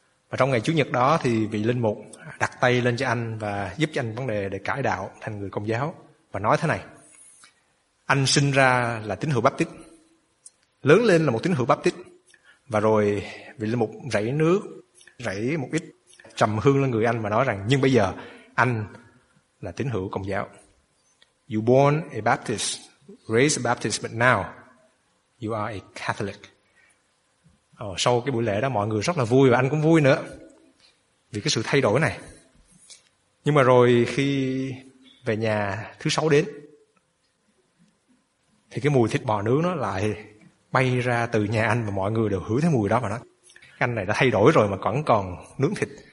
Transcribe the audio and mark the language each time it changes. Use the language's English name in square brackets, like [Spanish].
[Vietnamese] Và trong ngày Chủ nhật đó thì vị linh mục đặt tay lên cho anh và giúp cho anh vấn đề để cải đạo thành người Công giáo. Và nói thế này: anh sinh ra là tín hữu Baptist, lớn lên là một tín hữu Baptist. Và rồi vị linh mục rảy nước, rảy một ít trầm hương lên người anh và nói rằng: nhưng bây giờ anh là tín hữu Công giáo. [English] You born a Baptist, raised a Baptist, but now you are a Catholic. [Vietnamese] Sau cái buổi lễ đó mọi người rất là vui và anh cũng vui nữa vì cái sự thay đổi này. Nhưng mà rồi khi về nhà thứ sáu đến thì cái mùi thịt bò nướng nó lại bay ra từ nhà anh và mọi người đều hửi thấy mùi đó mà nói: anh này đã thay đổi rồi mà vẫn còn nướng thịt.